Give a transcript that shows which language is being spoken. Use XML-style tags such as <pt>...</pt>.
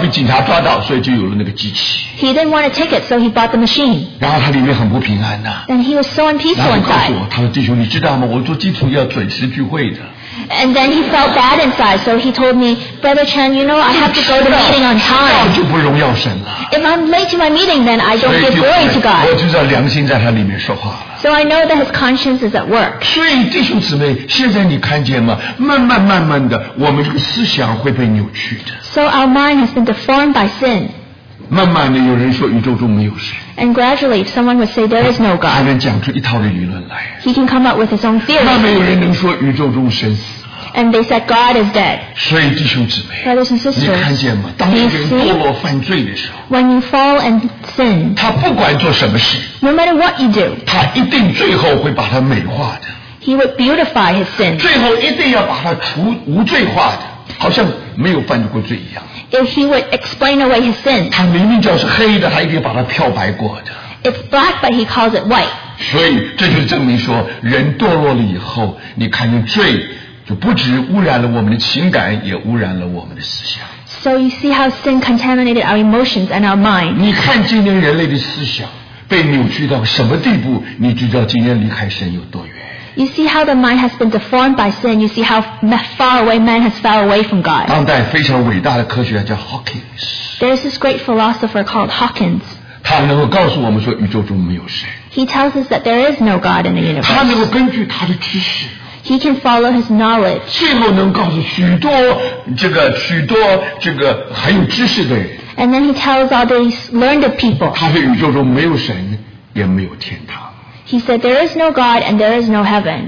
<en>he didn't want a ticket, so he bought the machine.</en> <zh>然后他里面很不平安啊,</zh> <en>and he was so unpeaceful inside.</en> <zh>然后他告诉我, 他说弟兄, 你知道吗, 我做基础要准时聚会的。</zh> <en>And then he felt bad inside, so he told me, Brother Chen, you know, I have to go to the meeting on time. If I'm late to my meeting, then I don't give glory to God.</en> <zh>我就知道良心在他里面说话了,</zh> <en>so I know that his conscience is at work.</en> <zh>所以弟兄姊妹, 现在你看见吗?慢慢慢慢的, 我们这个思想会被扭曲的。</zh> <en>So our mind has been deformed by sin.</en> <zh>慢慢的有人说宇宙中没有神,</zh> <en>and gradually if someone would say there is no God,</en> <zh>他能讲出一套的理论来,</zh> <en>he can come up with his own theory.</en> <zh>慢慢有人能说宇宙中神死,</zh> <en>and they said God is dead.</en> <zh>所以弟兄姊妹,</zh> <en>brothers and sisters,</en> <zh>你看见吗? 当一个人堕落犯罪的时候,</zh> <en>see, when you fall and sin,</en> <zh>他不管做什么事,</zh> <en>no matter what you do,</en> <zh>他一定最后会把它美化的,</zh> <en>he would beautify his sin,</en> <zh>最后一定要把它除无罪化的, 好像没有犯过罪一样。</zh> <en>If he would explain away his sin,</en> <zh>他明明叫是黑的, 他一定把它漂白过的,</zh> <en>it's black but he calls it white.</en> <zh>所以这就证明说, 人堕落了以后, 你看见罪就不止污染了我们的情感, 也污染了我们的思想。</zh> <en>So you see how sin contaminated our emotions and our mind.</en> <zh>你看今天人类的思想 被扭曲到什么地步, 你知道今天离开神有多远。</zh> <en>You see how the mind has been deformed by sin. You see how far away man has fell away from God.</en> <zh>当代非常伟大的科学家叫Hawkins,</zh> <en>there is this great philosopher called Hawkins.</en> <zh>他能够告诉我们说宇宙中没有神,</zh> <en>he tells us that there is no God in the universe.</en> <zh>他能够根据他的知识,</zh> <en>he can follow his knowledge.</en> <zh>最后能告诉许多这个很有知识的人,</zh> <en>and then he tells all these learned people,</en> <zh>他说宇宙中没有神,也没有天堂。</zh> <en>He said, there is no God and there is no heaven.</en>